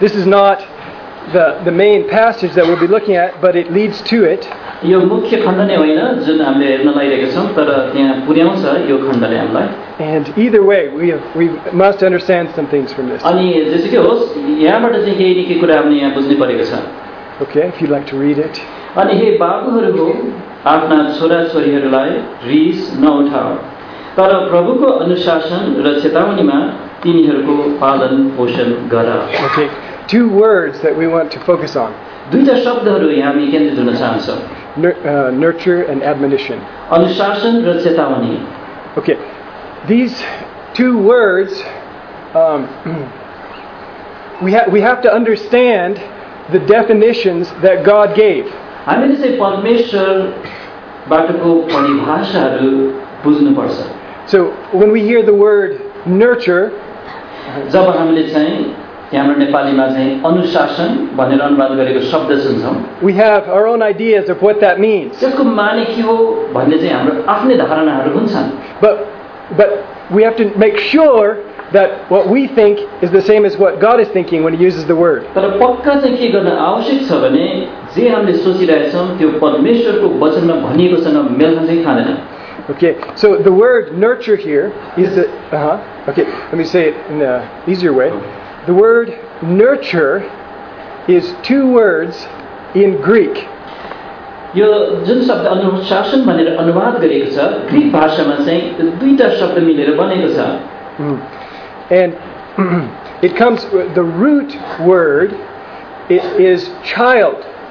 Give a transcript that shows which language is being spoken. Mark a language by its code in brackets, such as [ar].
[en] This is not the main passage that we'll be looking at, but it leads to it. [ne] यो मुख्य खण्ड नै होइन जुन हामीले हेर्न लागिरहेका छौँ तर त्यहाँ पुर्याउँछ यो खण्डले हामीलाई. [en] And either way, we must understand some things from this. [ne] अनि जसरी होस् यहाँबाट चाहिँ केही न केही कुरा हामीले यहाँ बुझ्नु परेको छ. [en] Okay, if you'd like to read it. [ne] अनि हे बाबुहरू, आफ्ना छोरा छोरीहरूलाई रिस नउठाओ, तर प्रभुको अनुशासन र चेतावनीमा तिनीहरूको पालन पोषण गर. [en] Okay, two words that we want to focus on. [ne] दुईटा शब्दहरू यहाँ हामी केन्द्रित हुन चाहन्छौँ. [en] Nurture and admonition. [ne] अनुशासन र चेतावनी. [en] Okay. These two words, we have to understand the definitions that God gave. [ne] हामीले चाहिँ परमेश्वरबाटको परिभाषाहरू बुझ्नु पर्छ. [en] So when we hear the word nurture, [ne] जब हामीले चाहिँ हाम्रो नेपालीमा चाहिँ अनुशासन भनेर अनुवाद गरेको शब्द सुन्छौँ, [en] we have our own ideas of what that means. [ne] त्यसको माने के हो भन्ने चाहिँ हाम्रो आफ्नै धारणाहरू हुन्छन्. [en] But we have to make sure that what we think is the same as what God is thinking when he uses the word. [ne] तर पक्का चाहिँ के गर्न आवश्यक छ भने जे हामीले सोचिरहेका छौँ त्यो परमेश्वरको वचनमा भनिएकोसँग मेल चाहिँ खाँदैन. [en] Okay, so the word nurture here is the, okay, let me say it in an easier way. The word nurture is two words in Greek. [ne] यो जुन शब्द अनुशासन भनेर अनुवाद गरिएको छ ग्रिक भाषामा चाहिँ दुईटा शब्द मिलेर बनेको छ. [en] And it comes, the root word is child.